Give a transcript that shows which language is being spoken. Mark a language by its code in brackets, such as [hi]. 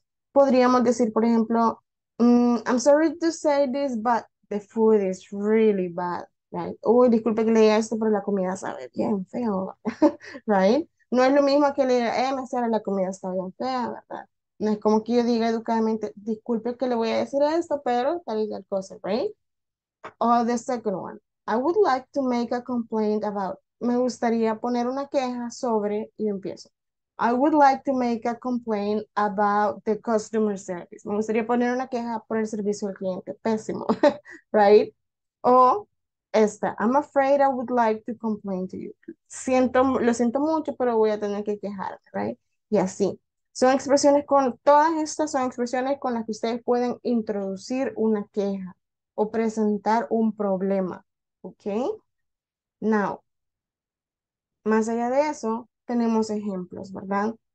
[es] Podríamos decir, por ejemplo, [en] I'm sorry to say this, but the food is really bad, right? [es] Uy, disculpe que le diga esto, pero la comida sabe bien feo, right? No es lo mismo que le diga, maestra, la comida está bien fea, ¿verdad? No es como que yo diga educadamente, disculpe que le voy a decir esto, pero tal y tal cosa, right? [en] O the second one, I would like to make a complaint about. [es] Me gustaría poner una queja sobre, y empiezo. [en] I would like to make a complaint about the customer service. [es] Me gustaría poner una queja por el servicio al cliente. Pésimo, right? O esta, [en] I'm afraid I would like to complain to you. [es] Lo siento mucho, pero voy a tener que quejarme, right? Y así. Todas estas son expresiones con las que ustedes pueden introducir una queja o presentar un problema, okay? Now, más allá de eso, tenemos ejemplos, ¿verdad?